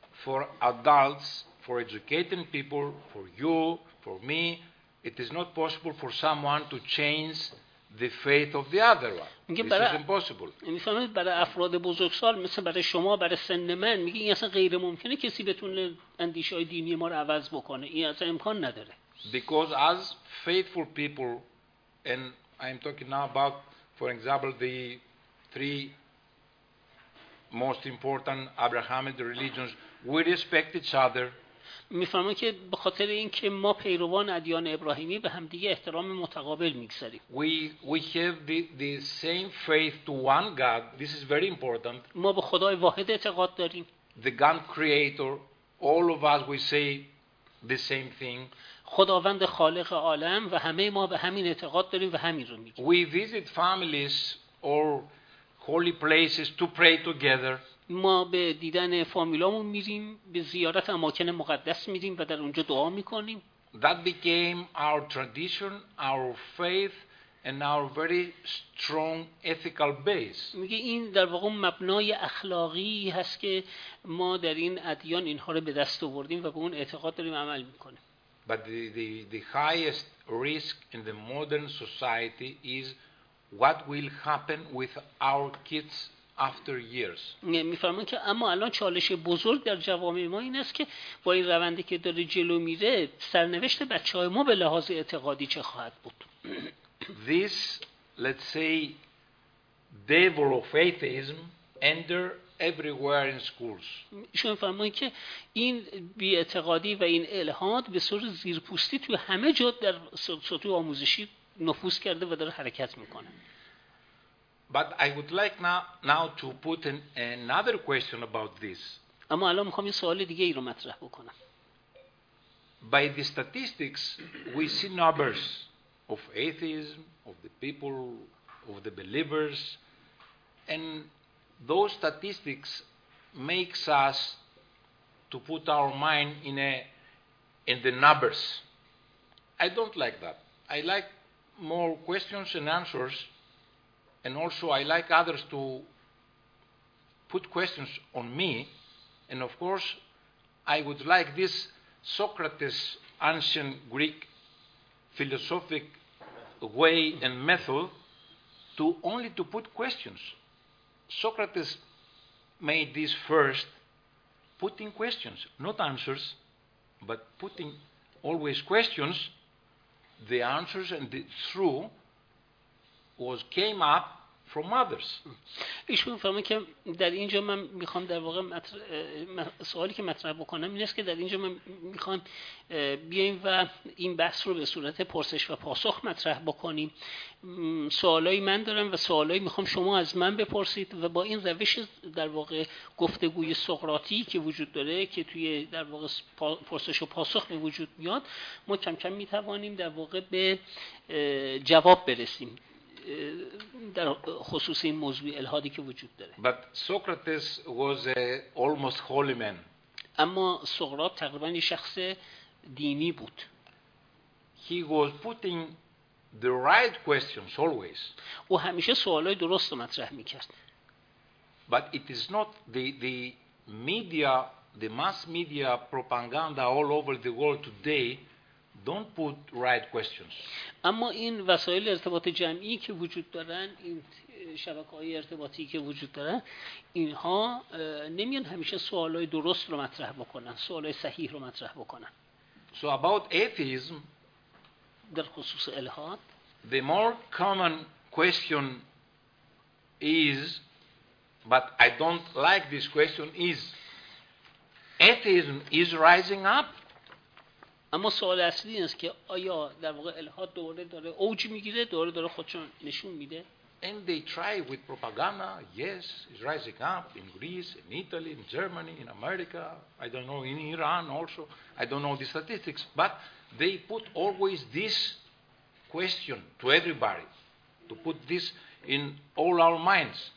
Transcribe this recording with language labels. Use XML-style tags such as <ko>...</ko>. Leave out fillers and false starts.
<en>For adults, for educated people, for you, for me, it is not possible for someone to change the faith of the other one. This is impossible.</en> <fa>می‌فهمید برای افراد بزرگسال مثل برای شما، برای سن من، میگه این اصلا غیر ممکنه کسی بتونه اندیشه‌های دینی ما رو عوض بکنه. این اصلا امکان نداره.</fa> <en>Because as faithful people, and I'm talking now about, for example, the three most important Abrahamic religions, we respect each other.</en> <fa>می‌فهمم که به خاطر اینکه ما پیروان ادیان ابراهیمی به هم دیگه احترام متقابل می‌گذاریم.</fa> <en>We have the same faith to one God. This is very important.</en> <fa>ما به خدای واحد اعتقاد داریم.</fa> <en>The God creator, all of us we say the same thing.</en> <fa>خداوند خالق عالم و همه ما به همین اعتقاد داریم و همین رو می‌گیم.</fa> <en>We visit families or holy places to pray together.</en> <fa>ما به دیدن فامیلامون میریم، به زیارت اماکن مقدس میریم و در اونجا دعا میکنیم.</fa> <en>That became our tradition, our faith and our very strong ethical base.</en> <fa>میگه این در واقع مبنای اخلاقی هست که ما در این ادیان اینها رو به دست آوردیم و به اون اعتقاد داریم عمل میکنیم.</fa> <en>But the highest risk in the modern society is what will happen with our kids after years.</en> <fa>میفهمم که اما الان چالش بزرگ در جوامع ما این است که با این روندی که داره جلو میره، سرنوشت بچه‌های ما به لحاظ اعتقادی چه خواهد بود.</fa> <en>This, let's say, devil of atheism enter everywhere in schools.</en> <fa>شما میفهمم که این بی‌اعتقادی و این الحاد به صورت زیرپوستی تو همه جا در سطوح آموزشی نفوذ کرده و داره حرکت میکنه.</fa> <en>But I would like now to put another question about this.</en> <fa>اما الان میخوام یه سوال دیگه ای رو مطرح بکنم.</fa> <en>By the statistics, we see numbers of atheism, of the people, of the believers, and those statistics makes us to put our mind in the numbers. I don't like that. I like more questions and answers. And also I like others to put questions on me. And of course, I would like this Socrates, ancient Greek philosophic way and method, to only to put questions. Socrates made this first, putting questions, not answers, but putting always questions, the answers and the truth was came up from others.</en> <fa>ایشون فهمه که در اینجا من میخوام در واقع سوالی که مطرح بکنم این است که در اینجا من میخوام بیایم و این بحث رو به صورت پرسش و پاسخ مطرح بکنیم. سوالایی من دارم و سوالایی میخوام شما از من بپرسید و با این روش در واقع گفتگوی سقراطی که وجود داره که توی در واقع پرسش و پاسخ می وجود میاد، ما کم کم میتوانیم در واقع به جواب برسیم در خصوص این موضوع الحادی که وجود داره.</fa> <en>But Socrates was almost holy man.</en> <fa>اما سقراط تقریبا یه شخص دینی بود.</fa> <en>He was putting the right questions always.</en> <fa>او همیشه سوالای درست رو مطرح می‌کرد.</fa> <en>But it is not the media, the mass media propaganda all over the world today. Don't put right questions.</en> <fa>اما این وسایل ارتباط جمعی که وجود دارن، این شبکه‌های ارتباطی که وجود دارن، اینها نمیان همیشه سوالای درست رو مطرح بکنن، سوالای صحیح رو مطرح بکنن.</fa> <en>So about atheism,</en> <fa>در خصوص الحاد,</fa> <en>the more common question is, but I don't like this question, is atheism is rising up.</en> <fa>اما سوال اصلی این است که آیا در واقع الحاد دوباره داره اوج میگیره، دوباره داره خودشون نشون میده؟</fa> <en>And they try with propaganda, yes, it's rising up in Greece, in Italy, in Germany, in America, I don't know, in Iran also, I don't know the statistics, but they put always this question to everybody, to put this in all our minds.</en>